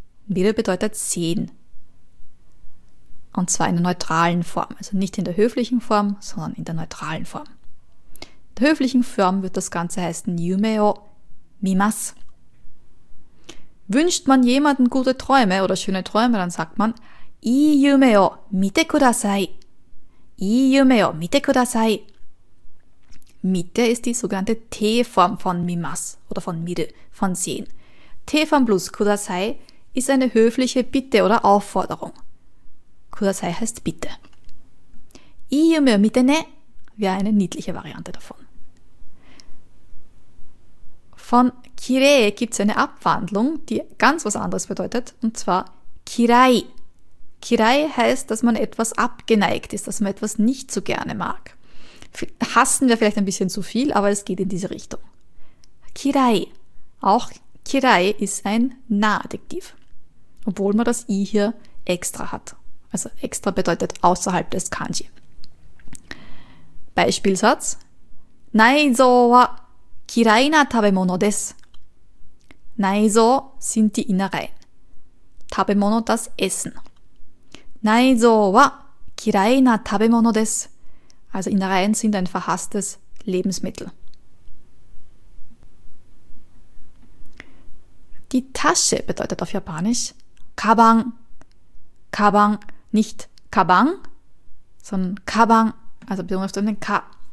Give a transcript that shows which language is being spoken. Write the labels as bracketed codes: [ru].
[de] 見る bedeutet sehen. Und zwar in der neutralen Form. Also nicht in der höflichen Form, sondern in der neutralen Form. In der höflichen Form wird das Ganze heißen [ja] 夢を見ます. [de] Wünscht man jemanden gute Träume oder schöne Träume, dann sagt man [ja] いい夢を見てください。いい夢を見てください。 [de] 見て ist die sogenannte T-Form von 見ます oder von 見る von sehen. T-Form plus ください ist eine höfliche Bitte oder Aufforderung. ください heißt bitte. [ja] いい夢を見てね [de] wäre eine niedliche Variante davon. Von kirei gibt es eine Abwandlung, die ganz was anderes bedeutet, und zwar [ja] kirai. [de] Kirai heißt, dass man etwas abgeneigt ist, dass man etwas nicht so gerne mag. Hassen wir vielleicht ein bisschen zu viel, aber es geht in diese Richtung. [ja] Kirai. [de] Auch Kirai ist ein Na-Adjektiv. Obwohl man das I hier extra hat. Also extra bedeutet außerhalb des Kanji. Beispielsatz. [ja] Naizo wa kirai na tabemono desu. [de] Naizo sind die Innereien. Tabemono das Essen. [ja] 内臓は嫌いな食べ物です。 [de] Also Innereien sind ein verhasstes Lebensmittel. Die Tasche bedeutet auf Japanisch [ja] Kabang. [de] Kabang, nicht Kabang, sondern Kabang, also besonders auf den K.